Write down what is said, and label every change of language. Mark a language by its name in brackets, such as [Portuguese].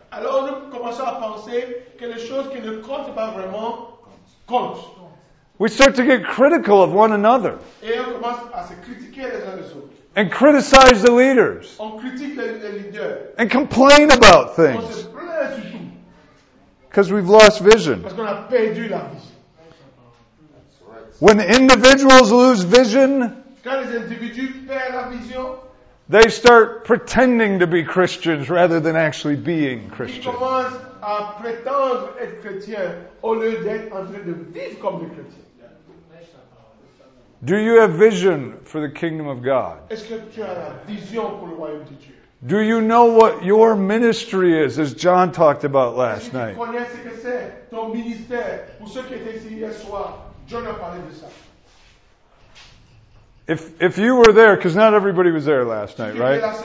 [French] Alors nous commençons à penser que les choses qui ne comptent pas vraiment comptent. [English] We start to get critical of one another. [French] Et on commence à se critiquer les uns les autres. [English] And criticize the leaders. [French] On critique les leaders. [English] And complain about things. Because we've lost vision. [French] Parce qu'on a perdu la vision. [English] When individuals lose vision, [French] quand les individus perdent la vision, [English] They start pretending to be Christians rather than actually being Christian. [French] Ils commencent à prétendre être chrétien au lieu d'être en train de vivre comme des chrétiens. [English] Do you have vision for the kingdom of God? [French] Est-ce que tu as la vision pour le royaume de Dieu? [English] Do you know what your ministry is, as John talked about last night? [French] Est-ce que tu connais ce que c'est ton ministère? Ou ceux qui étaient ici hier soir, John a parlé de ça. [English] If you were there, because not everybody was there last night, right?